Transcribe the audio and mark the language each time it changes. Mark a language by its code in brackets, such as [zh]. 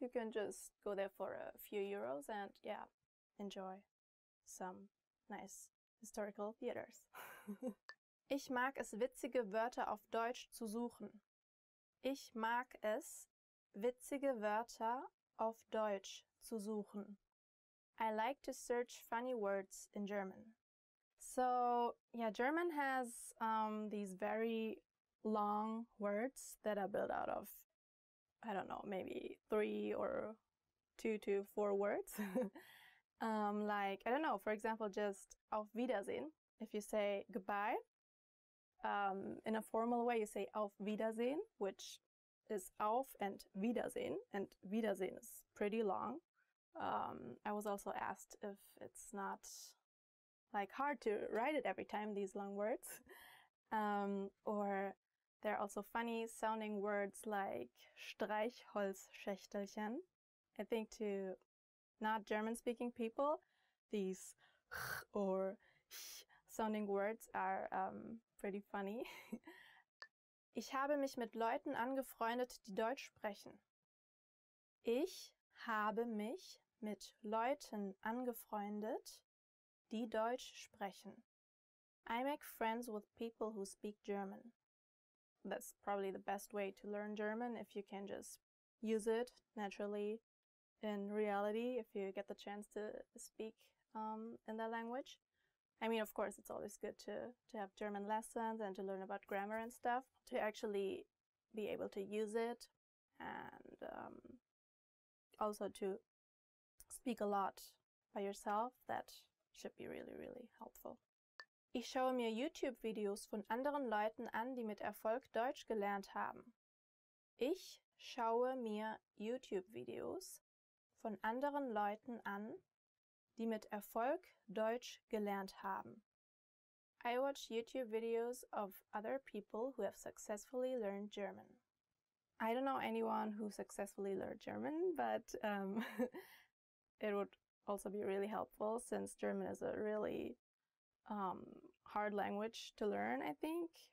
[en] You can just go there for a few euros and yeah, enjoy some nice historical theaters. [de] Ich mag es, witzige Wörter auf Deutsch zu suchen. Ich mag es, witzige Wörter auf Deutsch zu suchen. [en] I like to search funny words in German. So, yeah, German has these very long words that are built out of, I don't know, maybe two to four words. like, I don't know, for example, just Auf Wiedersehen. If you say goodbye, in a formal way, you say Auf Wiedersehen, which is Auf and Wiedersehen is pretty long. I was also asked if it's not like hard to write it every time, these long words. Or there are also funny sounding words like Streichholzschächtelchen. I think to not German speaking people, these ch or ch sounding words are pretty funny. [de] Ich habe mich mit Leuten angefreundet, die Deutsch sprechen. Ich habe mich mit Leuten angefreundet, die Deutsch sprechen. [en] I make friends with people who speak German. That's probably the best way to learn German, if you can just use it naturally in reality, if you get the chance to speak in that language. I mean, of course, it's always good to have German lessons and to learn about grammar and stuff, to actually be able to use it, and also to speak a lot by yourself. That should be really, really helpful. [de] Ich schaue mir YouTube-Videos von anderen Leuten an, die mit Erfolg Deutsch gelernt haben. Ich schaue mir YouTube-Videos von anderen Leuten an, die mit Erfolg Deutsch gelernt haben. [en] I watch YouTube videos of other people who have successfully learned German. I don't know anyone who successfully learned German, but it would also be really helpful, since German is a really hard language to learn, I think.